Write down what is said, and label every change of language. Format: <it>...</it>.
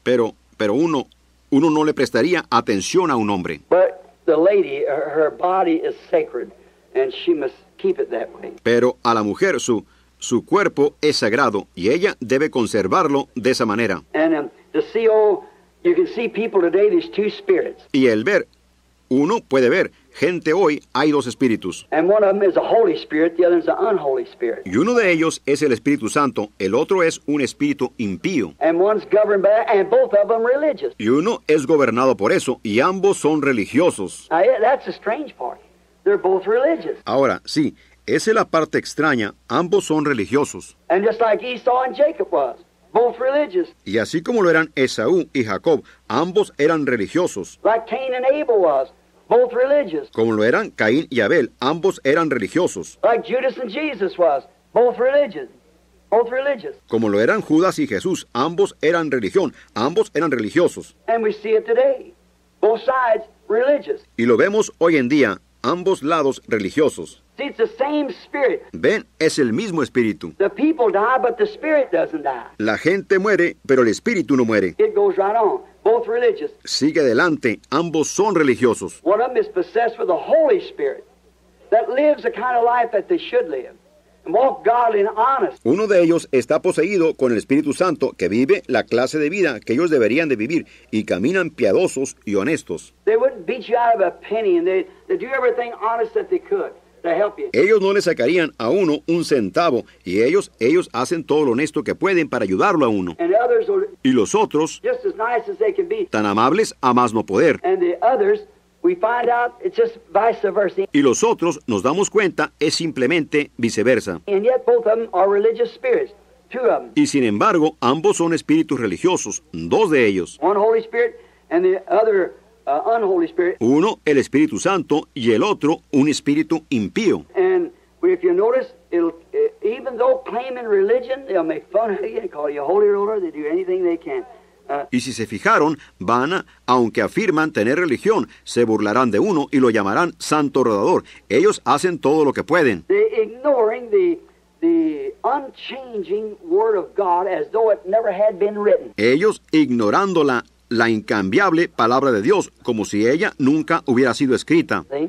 <es>Pero uno no le prestaría atención a un hombre.</es> <en>But the lady, her body is sacred, and she must keep it that way.</en> <es>Pero a la mujer, su cuerpo es sagrado, y ella debe conservarlo de esa manera.</es> <en>And to see, you can see people today, there's two spirits.</en> <es>Y el ver, uno puede ver, gente hoy, hay dos espíritus.</es> <en>And one of them is a Holy Spirit, the other is an unholy spirit.</en> <es>Y uno de ellos es el Espíritu Santo, el otro es un espíritu impío.</es> <en>And one's governed by, and both of them religious.</en> <es>Y uno es gobernado por eso, y ambos son religiosos.</es> <en>Now, that's the strange part. They're both religious.</en> <es>Ahora, sí, esa es la parte extraña, ambos son religiosos.</es> <en>And just like Esau and Jacob was. Both religious.</en> <es>Y así como lo eran Esaú y Jacob, ambos eran religiosos.</es> <en>Like Cain and Abel was, both religious.</en> <es>Como lo eran Caín y Abel, ambos eran religiosos.</es> <en>Like Judas and Jesus was, both religious.</en> <es>Como lo eran Judas y Jesús, ambos eran religión, ambos eran religiosos.</es> <en>And we see it today, both sides religious.</en> <es>Y lo vemos hoy en día, ambos lados religiosos.</es> <en>See, it's the same spirit.</en> <es>Ven, es el mismo espíritu.</es> <en>The people die, but the spirit doesn't die.</en> <es>La gente muere, pero el espíritu no muere.</es> <en>It goes right on. Both religious.</en> <es>Sigue adelante. Ambos son religiosos.</es> <en>One of them is possessed with the Holy Spirit that lives the kind of life that they should live. Walk godly and honest.</en> <es>Uno de ellos está poseído con el Espíritu Santo que vive la clase de vida que ellos deberían de vivir y caminan piadosos y honestos.</es> <en>They wouldn't beat you out of a penny and they do everything honest that they could.</en> <es>Ellos no le sacarían a uno un centavo, y ellos hacen todo lo honesto que pueden para ayudarlo a uno. Y los otros,</es> <en>just as nice as they can be,</en> <es>tan amables a más no poder.</es> <en>And the others, we find out it's just vice versa.</en> <es>Y los otros, nos damos cuenta, es simplemente viceversa.</es> <en>And yet both of them are religious spirits, two of them.</en> <es>Y sin embargo, ambos son espíritus religiosos, dos de ellos.</es> <en>One Holy Spirit and the other unholy spirit.</en> <es>Uno, el Espíritu Santo, y el otro, un espíritu impío.</es> <en>And if you notice, even though claiming religion, they'll make fun of you and call you a holy roller, they do anything they can.</en> <es>Y si se fijaron, aunque afirman tener religión, se burlarán de uno y lo llamarán santo rodador. Ellos hacen todo lo que pueden.</es> <en>They're ignoring the unchanging word of God as though it never had been written.</en> <es>Ellos ignorando la incambiable palabra de Dios, como si ella nunca hubiera sido escrita.</es>